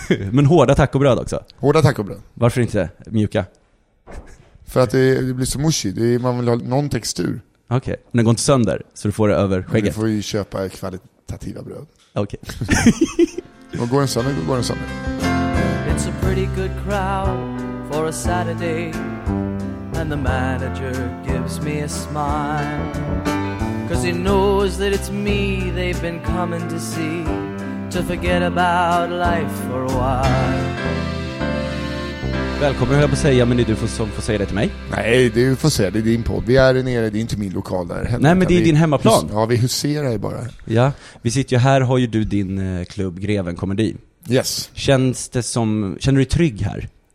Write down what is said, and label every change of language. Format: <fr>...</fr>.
<sv>Men hårda tacobröd också? Hårda tacobröd. Varför inte mjuka? För att det blir så mushy. Det är, man vill ha någon textur. Okej,</sv> <en>okay.</en> <sv>Men den går inte sönder så du får det över skägget. Du får ju köpa kvalitativa bröd. Okej.</sv> <en>Okay.</en> <sv>Går den sönder, då går den sönder.</sv> <en>It's a pretty good crowd for a Saturday. And the manager gives me a smile. Cause he knows that it's me they've been coming to see. To forget about life for a while.</en> <sv>Välkommen, höll jag på att säga, men det är du som får säga det till mig. Nej, du får säga det, det är din podd. Vi är nere, det är inte min lokal där. Nej, men det är din hemmaplan. Ja, vi huserar ju bara. Ja, vi sitter ju här, har ju du din klubb Greven Komedi.</sv> <en>Yes.</en> <sv>Känns det som, känner du dig trygg här?</sv>